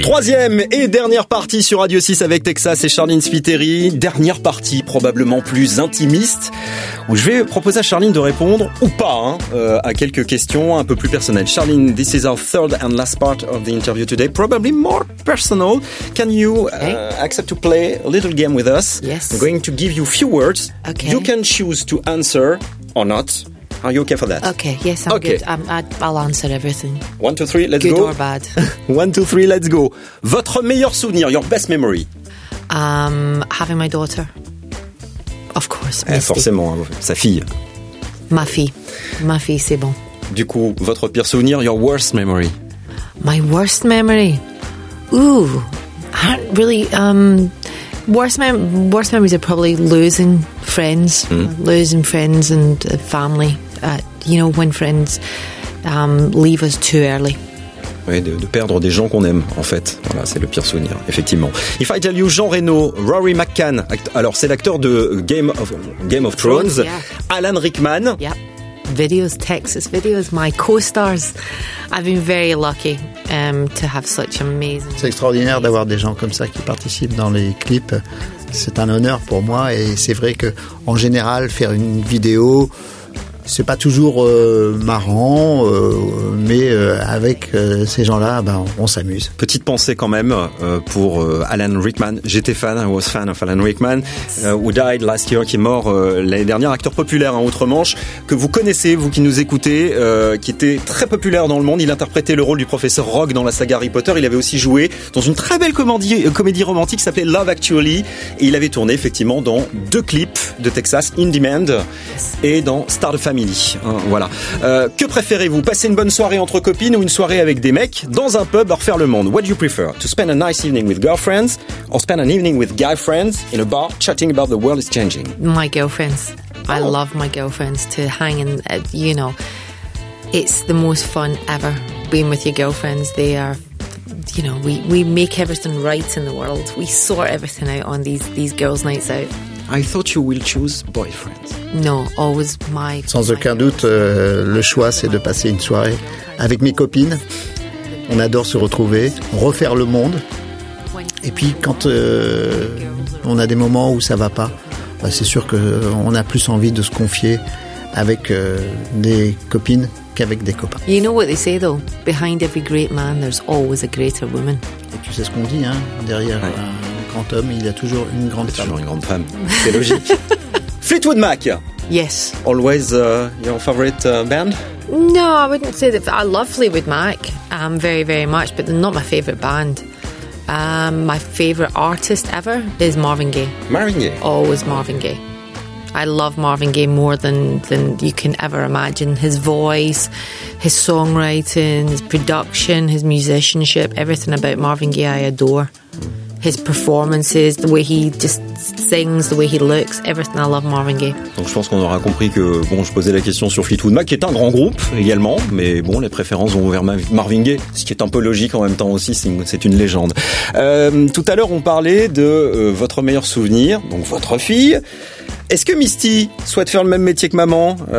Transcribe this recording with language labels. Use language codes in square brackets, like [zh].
[fr] Troisième et dernière partie sur Radio 6 avec Texas et Charline Spiteri. Dernière partie probablement plus intimiste, où je vais proposer à Charline de répondre, ou pas, à quelques questions un peu plus personnelles. [en] Charline, this is our third and last part of the interview today, probably more personal. Can you accept to play a little game with us? Yes. I'm going to give you a few words. Okay. You can choose to answer or not. Are you okay for that? Okay, yes, I'm okay. Good. I'll answer everything. One, two, three, let's good go. Good or bad. One, two, three, let's go. [fr] Votre meilleur souvenir, [en] your best memory? Having my daughter. Of course. [fr] Forcément, sa fille. Ma fille. Ma fille, c'est bon. Du coup, votre pire souvenir, [en] your worst memory? My worst memory? Ooh, I don't really... Worst memories are probably losing friends and family. You know, when friends leave us too early. [fr] Oui, de perdre des gens qu'on aime, en fait. Voilà, c'est le pire souvenir, effectivement. [en] If I tell you [fr] Jean Reno, Rory McCann, alors c'est l'acteur de Game of Thrones. [en] Yeah. Alan Rickman. Yep. Videos, Texas Videos, my co-stars. I've been very lucky to have such amazing... [fr] C'est extraordinaire amazing. D'avoir des gens comme ça qui participent dans les clips. C'est un honneur pour moi et c'est vrai qu'en général, faire une vidéo, c'est pas toujours marrant, mais avec ces gens-là, on s'amuse. Petite pensée quand même pour Alan Rickman. J'étais fan, [en] I was fan of Alan Rickman, who died last year, [fr] qui est mort l'année dernière, acteur populaire outre-Manche, que vous connaissez, vous qui nous écoutez, qui était très populaire dans le monde. Il interprétait le rôle du professeur Rogue dans la saga Harry Potter. Il avait aussi joué dans une très belle comédie romantique qui s'appelait Love Actually. Et il avait tourné effectivement dans deux clips de Texas, In Demand, et dans Star of Family. Voilà. Que préférez-vous? Passer une bonne soirée entre copines ou une soirée avec des mecs dans un pub à refaire le monde? [en] What do you prefer? To spend a nice evening with girlfriends or spend an evening with guy friends in a bar chatting about the world is changing? My girlfriends. Oh. I love my girlfriends to hang in, you know, it's the most fun ever being with your girlfriends. They are, you know, we make everything right in the world. We sort everything out on these girls' nights out. I thought you will choose boyfriend. No, always my. [fr] Sans aucun doute, le choix c'est de passer une soirée avec mes copines. On adore se retrouver, refaire le monde. Et puis quand on a des moments où ça va pas, c'est sûr que on a plus envie de se confier avec des copines qu'avec des copains. [en] You know what they say though, behind every great man there's always a greater woman. [fr] Et tu sais ce qu'on dit hein, derrière un grand homme, il y a toujours une grande femme. Toujours une grande femme. C'est logique. Fleetwood Mac. [en] Yes. Always your favorite band? No, I wouldn't say that. I love Fleetwood Mac very, very much, but they're not my favorite band. My favorite artist ever is Marvin Gaye. Marvin Gaye? Always Marvin Gaye. I love Marvin Gaye more than you can ever imagine. His voice, his songwriting, his production, his musicianship, everything about Marvin Gaye I adore. His performances, the way he just sings, the way he looks, everything. I love Marvin Gaye. [fr] Donc je pense qu'on aura compris que bon, je posais la question sur Fleetwood Mac, qui est un grand groupe également, mais bon, les préférences vont vers Marvin Gaye, ce qui est un peu logique en même temps aussi, c'est une légende. Tout à l'heure, on parlait de votre meilleur souvenir, donc votre fille. Est-ce que Misty souhaite faire le même métier que maman?